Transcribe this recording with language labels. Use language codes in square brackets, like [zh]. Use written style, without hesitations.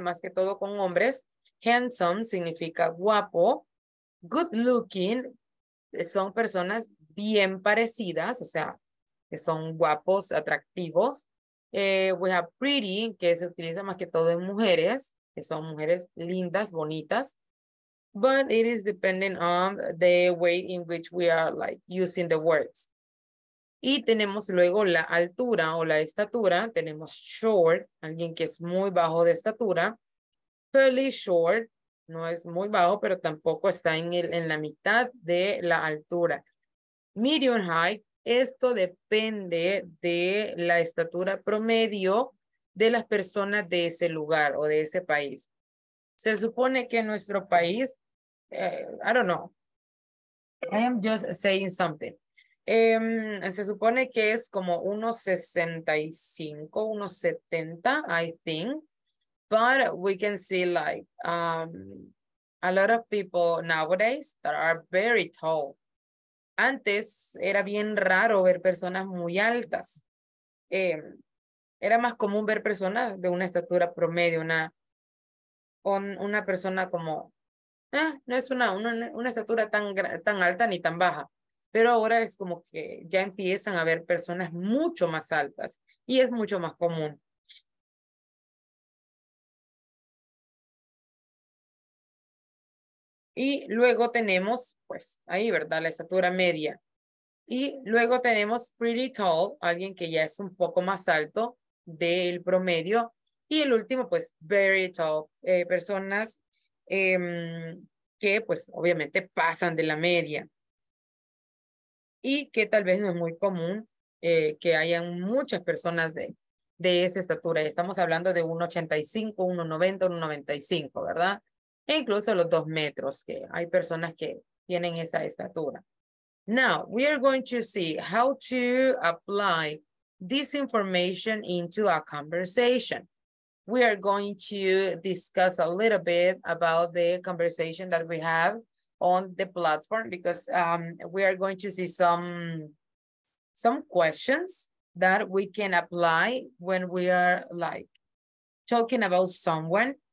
[es] Más que todo con hombres. Handsome significa guapo. Good looking son personas bien parecidas, o sea, que son guapos, atractivos. [en] We have [es] pretty, que se utiliza más que todo en mujeres, que son mujeres lindas, bonitas. [en] but it is dependent on the way in which we are like using the words. [es] Y tenemos luego la altura o la estatura. Tenemos short, alguien que es muy bajo de estatura. Fairly short, no es muy bajo, pero tampoco está en la mitad de la altura. Medium height, esto depende de la estatura promedio de las personas de ese lugar o de ese país. Se supone que en nuestro país, [en] I don't know, I am just saying something. [es] Se supone que es como 1.65, 1.70, [en] I think. But we can see like a lot of people nowadays that are very tall. [es] Antes era bien raro ver personas muy altas. Era más común ver personas de una estatura promedio, una persona como, no es una estatura tan alta ni tan baja. Pero ahora es como que ya empiezan a ver personas mucho más altas y es mucho más común. Y luego tenemos, pues, ahí, ¿verdad? La estatura media. Y luego tenemos pretty tall, alguien que ya es un poco más alto del promedio. Y el último, pues, very tall, personas que, pues, obviamente pasan de la media. Y que tal vez no es muy común que hayan muchas personas de esa estatura. Estamos hablando de 1.85, 1.90, 1.95, ¿verdad? E incluso los 2 metros, que hay personas que tienen esa estatura. [en] Now, we are going to see how to apply this information into a conversation. We are going to discuss a little bit about the conversation that we have on the platform, because we are going to see some questions that we can apply when we are like talking about someone.